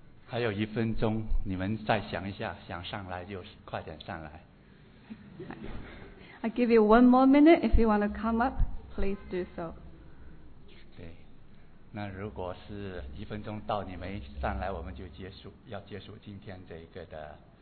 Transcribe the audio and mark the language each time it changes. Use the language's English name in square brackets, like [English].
[Chinese] 还有一分钟，你们再想一下，想上来就快点上来。 [English] I give you one more minute. If you want to come up, please do so. [Chinese] 对，那如果是一分钟到你们上来，我们就结束，要结束今天这一个的。